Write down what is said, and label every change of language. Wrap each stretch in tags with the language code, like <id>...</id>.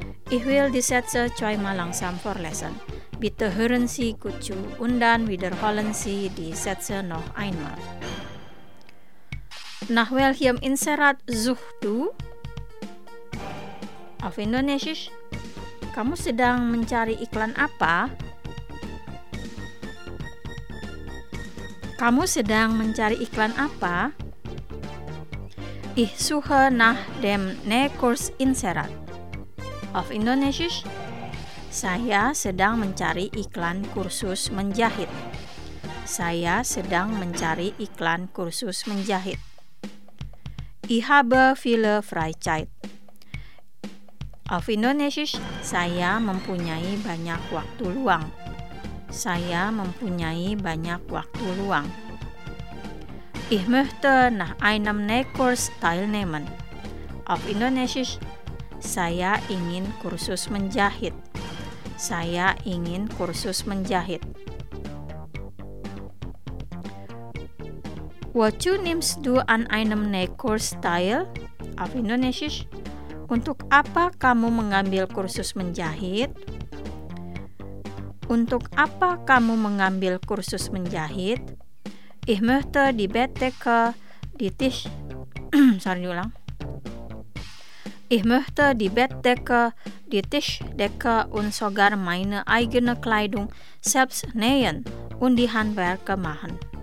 <de>Ich will die Sätze zweimal langsam vorlesen. Bitte hören Sie gut zu und dann wiederholen Sie die Sätze noch einmal. Nach welchem Inserat suchst du? Auf Indonesisch.</de> <id>Kamu sedang mencari iklan apa? Kamu sedang mencari iklan apa?</id> <de>Ich suche nach dem Nähkurs Inserat. Auf Indonesisch.</de> <id>Saya sedang mencari iklan kursus menjahit. Saya sedang mencari iklan kursus menjahit.</id> <de>Ich habe viele Freizeit. Auf Indonesisch,</de> <id>saya mempunyai banyak waktu luang. Saya mempunyai banyak waktu luang.</id> <de>Ich möchte nach einem Nähkurs teilnehmen. Auf Indonesisch,</de> <id>saya ingin kursus menjahit. Saya ingin kursus menjahit.</id> <de>Wozu nimmst du an einem Nähkurs teil? Auf Indonesisch.</de> <id>Untuk apa kamu mengambil kursus menjahit? Untuk apa kamu mengambil kursus menjahit?</id> <de>Ich möchte die Bettdecke, die Tisch... Sorry, ulang. Ich möchte die Bettdecke, die Tischdecke und sogar meine eigene Kleidung selbst nähen und die Handwerke machen.</de>